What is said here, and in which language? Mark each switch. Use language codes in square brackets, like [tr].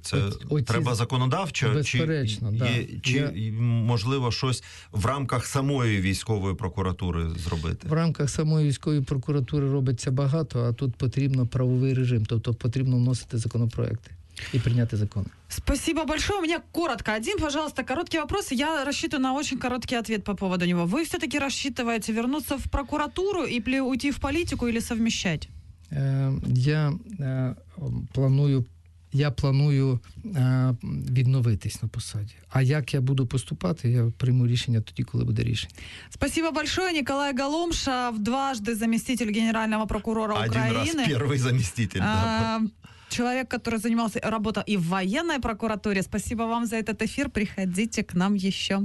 [uk] Це треба законодавчо? Безперечно, так. Можливо, щось в рамках самої військової прокуратури зробити? В рамках самої військової прокуратури робиться багато, а тут потрібно правовий режим, тобто потрібно вносити законопроекти [ru] и принять закон. Спасибо большое. У меня коротко. Один, пожалуйста, короткий вопрос. Я рассчитываю на очень короткий ответ по поводу него. Вы все-таки рассчитываете вернуться в прокуратуру или уйти в политику, или совмещать? [uk] Я планую відновитись на посаді. А як я буду поступати, я прийму рішення тоді, коли буде рішення. [ru] Спасибо большое, Николай Галумша, вдважды заместитель генерального прокурора [uk] України. [ru] Один раз первый заместитель, да. Человек, который занимался работой и в военной прокуратуре. Спасибо вам за этот эфир. Приходите к нам еще.